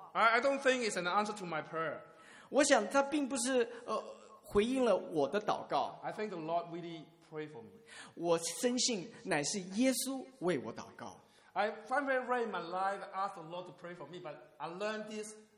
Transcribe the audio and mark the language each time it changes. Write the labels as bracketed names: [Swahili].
[English] ”I don't think it's an answer to my prayer. [Chinese] 我想他并不是回应了我的祷告。 [English] I think the Lord really prayed for me. [Chinese] 我深信乃是耶稣为我祷告。 [English] I find very rare in my life ask the Lord to pray for me, but I learned this.